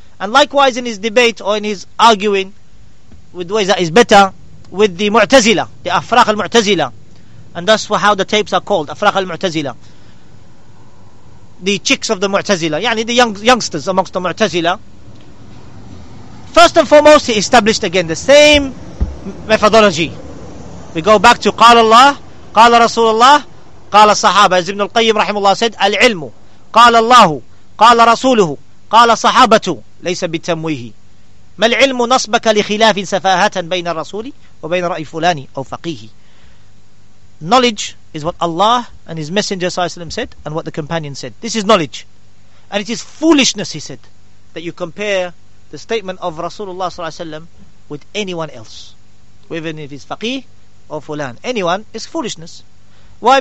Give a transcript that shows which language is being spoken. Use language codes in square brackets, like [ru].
[en] And likewise in his debate or in his arguing with ways that is better with the Mu'tazila, the Afraq al-Mu'tazila. And that's how the tapes are called, Afraq al-Mu'tazila. The chicks of the Mu'tazila, yani the youngsters amongst the Mu'tazila. First and foremost, he established again the same methodology. We go back to [ar] قال الله, قال رسول الله, قال الصحابة. [en] As Ibn al-Qayyim rahimullah said, [ar] العلم قال الله قال رسوله قال صحابة ليس بالتمويه ما العلم نصبك لخلاف سفاهة بين الرسول وبين رأي فلان أو فقيه. [en] Knowledge is what Allah and His Messenger صلى الله عليه وسلم said and what the companion said. This is knowledge, and it is foolishness, he said, that you compare the statement of Rasulullah صلى الله عليه وسلم with anyone else, whether if it's faqih or fulan, anyone is foolishness. Why?